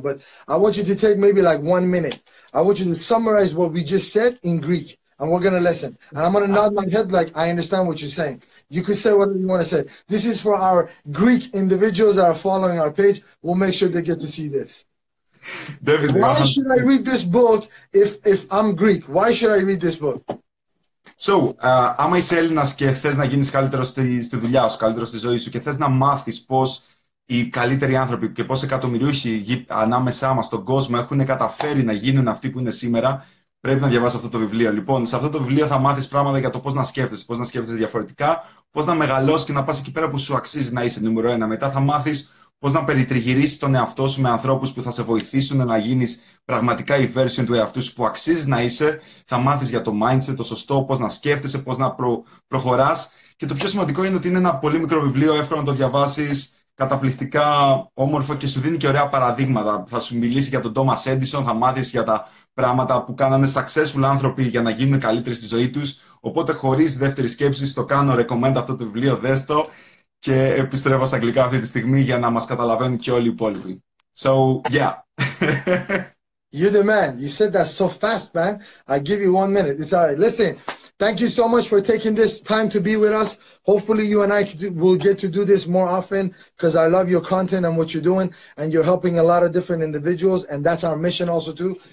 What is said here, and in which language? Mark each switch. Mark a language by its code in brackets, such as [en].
[en] But I want you to take maybe like 1 minute. I want you to summarize what we just said in Greek, and we're going to listen. And I'm going to nod my head like I understand what you're saying. You could say whatever you want to say. This is for our Greek individuals that are following our page. We'll make sure they get to see this. Why should I read this book if I'm Greek? Why should I read this book? [el] So, άμα είσαι Έλληνας και θες να γίνεις καλύτερος στη δουλειά σου, καλύτερος στη ζωή σου και θες να μάθεις πώς οι καλύτεροι άνθρωποι και πώς εκατομμυριούχοι ανάμεσά μας στον κόσμο έχουν καταφέρει να γίνουν αυτοί που είναι σήμερα, πρέπει να διαβάσεις αυτό το βιβλίο. Λοιπόν, σε αυτό το βιβλίο θα μάθεις πράγματα για το πώς να σκέφτεσαι, πώς να σκέφτεσαι διαφορετικά, πώς να μεγαλώσεις και να πας εκεί πέρα που σου αξίζει να είσαι νούμερο ένα. Μετά θα μάθεις πώς να περιτριγυρίσεις τον εαυτό σου με ανθρώπους που θα σε βοηθήσουν να γίνεις πραγματικά η version του εαυτού σου που αξίζει να είσαι. Θα μάθεις για το mindset, το σωστό, πώς να σκέφτεσαι, πώς να προχωράς. Και το πιο σημαντικό είναι ότι είναι ένα πολύ μικρό βιβλίο, εύκολο να το διαβάσεις, καταπληκτικά όμορφο και σου δίνει και ωραία παραδείγματα. Θα σου μιλήσει για τον Thomas Edison, θα μάθεις για τα πράγματα που κάνανε successful άνθρωποι για να γίνουν καλύτεροι στη ζωή τους. Οπότε χωρίς δεύτερη σκέψη, το κάνω recommend αυτό το βιβλίο, δες το. Και επιστρέφω στα αγγλικά αυτή τη στιγμή για να μας καταλαβαίνουν και όλοι οι υπόλοιποι. [en] So, yeah. You're the man. You said that so fast, man. I give you 1 minute. It's all right. Listen, Thank you so much for taking this time to be with us. Hopefully you and I will get to do this more often, because I love your content and what you're doing, and you're helping a lot of different individuals, and that's our mission also too.